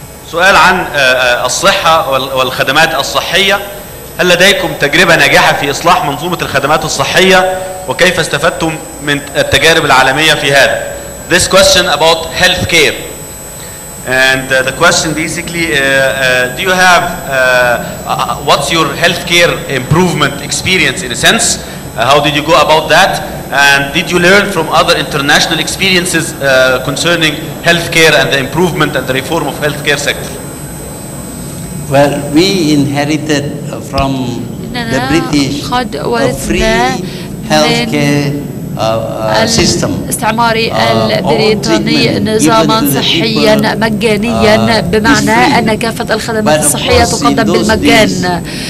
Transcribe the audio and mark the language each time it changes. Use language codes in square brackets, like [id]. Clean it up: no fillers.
[ar] سؤال عن الصحة والخدمات الصحية، هل لديكم تجربة ناجحة في إصلاح منظومة الخدمات الصحية، وكيف استفدتم من التجارب العالمية في هذا؟ [en] This question about healthcare. And the question basically, do you have what's your healthcare improvement experience in a sense? How did you go about that? And did you learn from other international experiences concerning healthcare and the improvement and the reform of healthcare sector? Well, we inherited from the British a free healthcare system. [ar] الاستعماري البريطاني نظاما صحيا مجانيا، بمعنى ان كافه الخدمات الصحيه تقدم بالمجان.